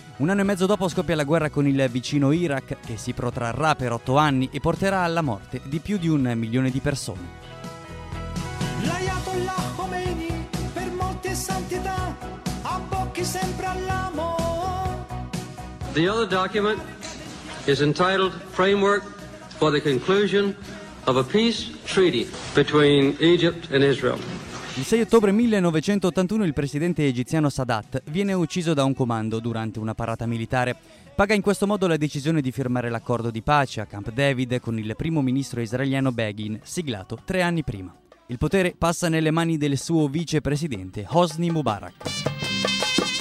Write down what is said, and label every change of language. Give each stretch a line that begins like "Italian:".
Italian: Un anno e mezzo dopo scoppia la guerra con il vicino Iraq, che si protrarrà per 8 anni e porterà alla morte di più di 1 milione di persone. L'Ayatollah Khomeini, per molti è santità, abbocchi sempre all'amo.
English: The other document is entitled Framework for the Conclusion of a Peace Treaty between Egypt and Israel.
Italian: Il 6 ottobre 1981 il presidente egiziano Sadat viene ucciso da un comando durante una parata militare. Paga in questo modo la decisione di firmare l'accordo di pace a Camp David con il primo ministro israeliano Begin, siglato 3 anni prima. Il potere passa nelle mani del suo vicepresidente Hosni Mubarak.